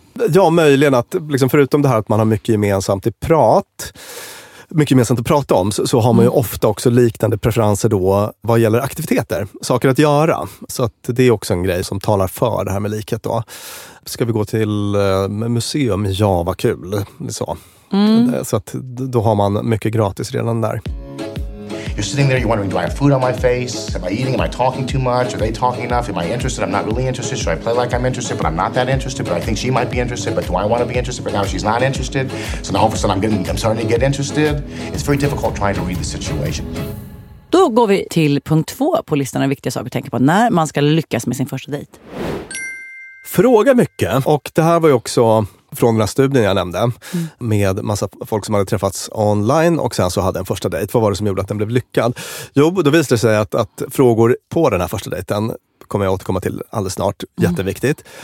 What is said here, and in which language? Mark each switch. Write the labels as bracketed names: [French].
[Swedish] Ja, möjligen att liksom, förutom det här att man har mycket gemensamt i prat, mycket gemensamt att prata om, så har man ju ofta också liknande preferenser då vad gäller aktiviteter, saker att göra. Så att det är också en grej som talar för det här med likhet då. Ska vi gå till museum? Ja, vad kul. Så, så att då har man mycket gratis redan där. [English] You're sitting there, you're wondering, do I have food on my face? Am I eating? Am I talking too much? Are they talking enough? Am I interested? I'm not really interested. Should I play like I'm interested, but I'm not that interested? But I think she might be interested, but do I want to be interested? But now she's not interested. So now all of a sudden I'm starting to get interested. It's very difficult trying to read the situation. [Swedish] Då går vi till punkt 2 på listan av viktiga saker att tänka på när man ska lyckas med sin första dejt. Fråga mycket. Och det här var ju också från den här studien jag nämnde med massa folk som hade träffats online och sen så hade en första dejt. Vad var det som gjorde att den blev lyckad? Jo, då visade det sig att frågor på den här första dejten kommer jag återkomma till alldeles snart. Jätteviktigt.